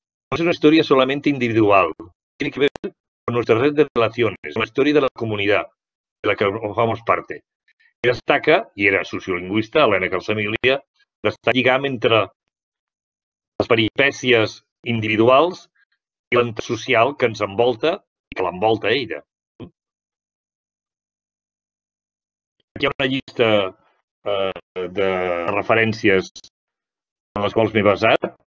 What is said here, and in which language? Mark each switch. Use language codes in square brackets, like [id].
[ca] No és una història solament individual. [es] Tiene que ver con nuestra red de relaciones, [ca] una història de la comunitat [es] de la que formamos parte. [ca] I destaca, i era sociolingüista, l'Anna Calsamiglia, d'estar lligam entre les peripècies individuals i l'entorn social que ens envolta i que l'envolta ella. Aquí hi ha una llista de referències en les quals m'he basat.